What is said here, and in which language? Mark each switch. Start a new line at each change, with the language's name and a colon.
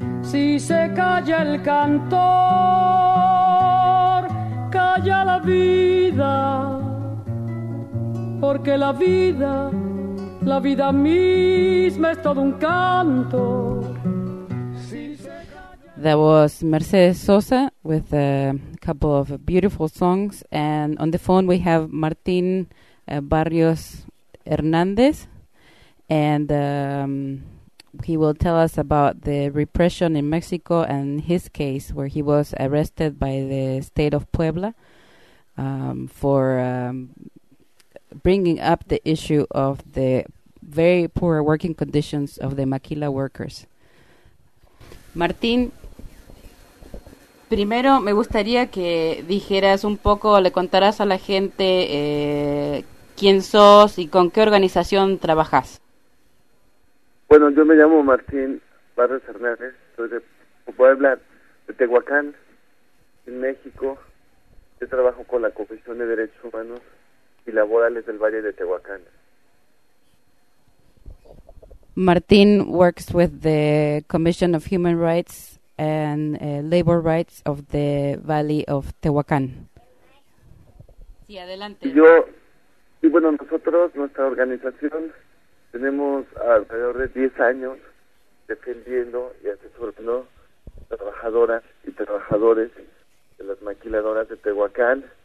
Spanish: El cantor calla la vida, porque la vida misma es todo un canto.
English: That was Mercedes Sosa with a couple of beautiful songs, and on the phone we have Martin Barrios Hernandez, and he will tell us about the repression in Mexico and his case, where he was arrested by the state of Puebla for bringing up the issue of the very poor working conditions of the maquila workers.
Spanish: Martín, primero me gustaría que dijeras un poco, le contaras a la gente quién sos y con qué organización trabajas. Bueno, yo me llamo Martín Barrios Hernández, soy de Puebla, de Tehuacán, en México. Yo trabajo con la Comisión de Derechos Humanos y Laborales del Valle de Tehuacán.
English: Martín works with the Commission of Human Rights and Labor Rights of the Valley of Tehuacán.
Spanish: Sí, adelante. Nosotros, nuestra organización, tenemos alrededor de 10 años defendiendo y asesorando trabajadoras y trabajadores de las maquiladoras de Tehuacán.